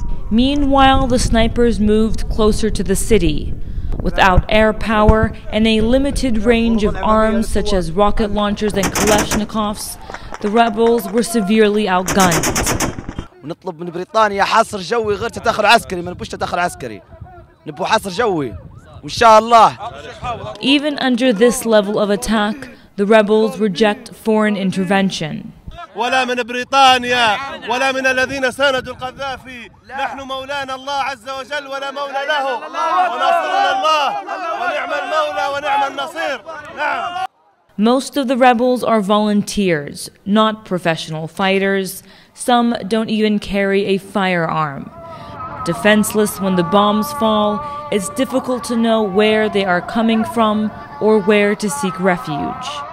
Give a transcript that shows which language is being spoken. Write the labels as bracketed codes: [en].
[en] Meanwhile, the snipers moved closer to the city. Without air power and a limited range of arms such as rocket launchers and Kalashnikovs, the rebels were severely outgunned. [ar] نطلب من بريطانيا حاصر جوي غير تدخل عسكري ما نبوش تدخل عسكري نبو حاصر جوي وإن شاء الله. [en] Even under this level of attack, the rebels reject foreign intervention. [ar] ولا من بريطانيا ولا من الذين ساندوا القذافي نحن مولانا الله عز وجل ولا مولى له ونصرنا الله ونعم المولى ونعم النصير. نعم. [en] Most of the rebels are volunteers, not professional fighters. Some don't even carry a firearm. Defenseless when the bombs fall, it's difficult to know where they are coming from or where to seek refuge.